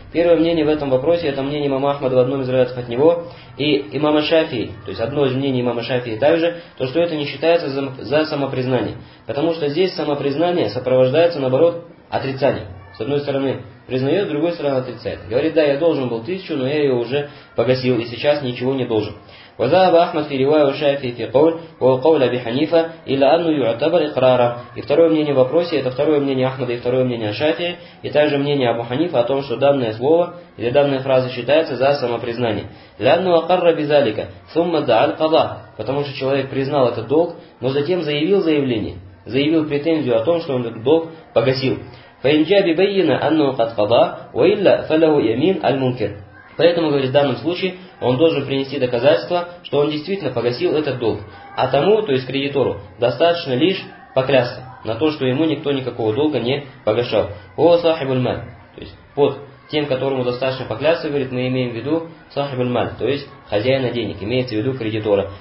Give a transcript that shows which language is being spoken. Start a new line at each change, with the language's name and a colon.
Russian: Первое мнение в этом вопросе, это мнение имама Ахмада в одном из раятов от него, и имама Шафии, то есть одно из мнений имама Шафии также, то что это не считается за самопризнание. Потому что здесь самопризнание сопровождается наоборот отрицанием. С одной стороны признает, с другой стороны отрицает. Говорит, да, я должен был 1000, но я ее уже погасил и сейчас ничего не должен.
Arabic: وذهب أحمد في رواية الشافعي في قول وقول أبي حنيفة إلى أنه يعتبر إقرارا.
Russian: И второе мнение в вопросе, это второе мнение Ахмада и второе мнение Шафии, и также мнение Абу Ханифа о том, что данное слово или данная фраза считается за самопризнание.
Arabic: لأنه أقر بذلك ثم دعا القضاء.
Russian: Потому что человек признал этот долг, но затем заявил претензию о том, что он этот долг погасил.
Arabic: فإن جاء ببينة أنه قد قضى وإلا فله يمين المنكر.
Russian: Поэтому, говорит, в данном случае он должен принести доказательство, что он действительно погасил этот долг. А тому, то есть кредитору, достаточно лишь поклясться на то, что ему никто никакого долга не погашал. О, сахибуль маль. То есть под тем, которому достаточно поклясться, говорит, мы имеем в виду сахибуль маль, то есть хозяина денег, имеется в виду кредитора.